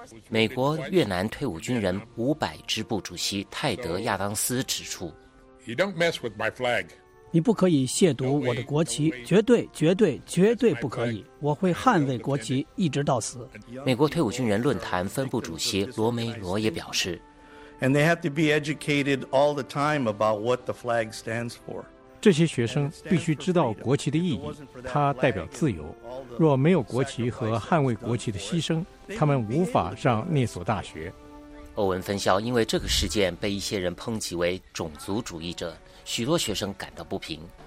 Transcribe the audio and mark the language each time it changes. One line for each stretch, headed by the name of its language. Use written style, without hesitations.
Chinese: 美国越南退伍军人500支部主席泰德·亚当斯指出，
English: You don't mess with my flag.
Chinese: 你不可以亵渎我的国旗，绝对绝对绝对不可以，我会捍卫国旗一直到死。美国退伍军人论坛分部主席罗梅罗也表示，
English: And they have to be educated all the time about what the flag stands for.
Chinese: 这些学生必须知道国旗的意义，它代表自由。若没有国旗和捍卫国旗的牺牲，他们无法上那所大学。欧文分校因为这个事件被一些人抨击为种族主义者，许多学生感到不平。